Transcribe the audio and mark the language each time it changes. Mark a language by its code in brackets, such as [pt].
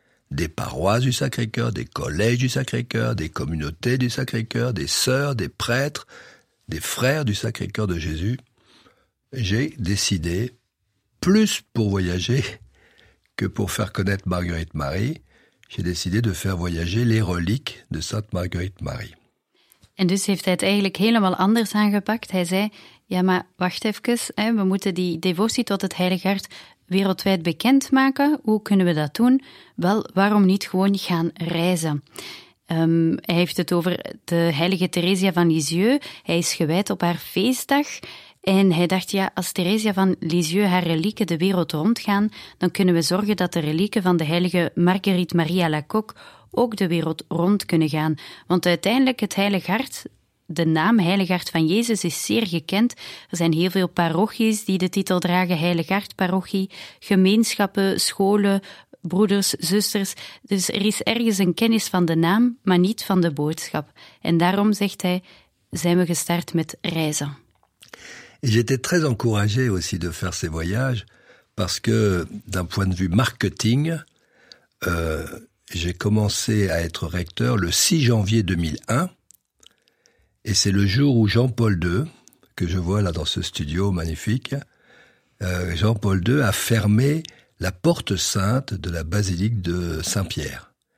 [fr] Des paroisses du Sacré-Cœur, des collèges du Sacré-Cœur, des communautés du Sacré-Cœur, des sœurs, des prêtres, des frères du Sacré-Cœur de Jésus. J'ai décidé, plus pour voyager que pour faire connaître Marguerite Marie, j'ai décidé de faire voyager les reliques de Sainte Marguerite Marie. [nl] En dus heeft hij het eigenlijk helemaal anders aangepakt. Hij zei, ja, maar wacht even, hè, we moeten die devotie tot het Heilige Hart wereldwijd bekend maken. Hoe kunnen we dat doen? Wel, waarom niet gewoon gaan reizen? Hij heeft het over de heilige Theresia van Lisieux. Hij is gewijd op haar feestdag. En hij dacht, ja, als Theresia van Lisieux haar relieken de wereld rondgaan, dan kunnen we zorgen dat de relieken van de heilige Marguerite Maria Lacocq ook de wereld rond kunnen gaan. Want uiteindelijk, het Heilig Hart, de naam Heilig Hart van Jezus, is zeer gekend. Er zijn heel veel parochies die de titel dragen, Heilig Hart parochie, gemeenschappen, scholen, broeders, zusters. Dus er is ergens een kennis van de naam, maar niet van de boodschap. En daarom, zegt hij, zijn we gestart met reizen. [fr] Et j'étais très encouragé aussi de faire ces voyages parce que, d'un point de vue marketing, j'ai commencé à être recteur le 6 janvier 2001. Et c'est le jour où Jean-Paul II, que je vois là dans ce studio magnifique, Jean-Paul II a fermé la porte sainte de la basilique de Saint-Pierre.